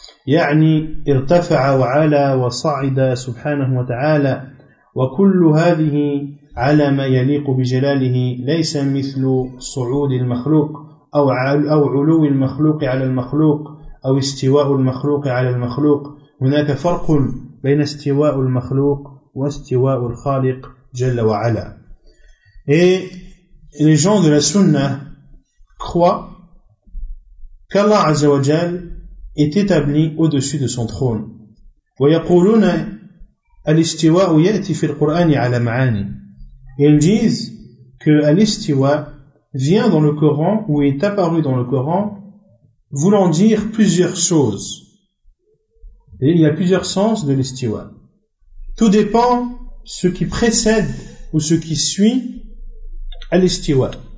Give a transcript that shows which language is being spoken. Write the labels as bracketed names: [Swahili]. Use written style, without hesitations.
[Arabic] يعني ارتفع وعلا وصعد سبحانه وتعالى وكل هذه على ما يليق بجلاله ليس مثل صعود المخلوق أو علو المخلوق على المخلوق أو استواء المخلوق على المخلوق. هناك فرق بين استواء المخلوق واستواء الخالق جل وعلا. [French] Et les gens de la Sunna croient qu'Allah Azza wa Jal est établi au-dessus de son trône. [Arabic] ويقولون الاستواء يأتي في القرآن على معاني. [French] Ils disent que l'istiwa vient dans le Coran ou est apparu dans le Coran voulant dire plusieurs choses. Et il y a plusieurs sens de l'istiwa. Tout dépend ce qui précède ou ce qui suit l'istiwa.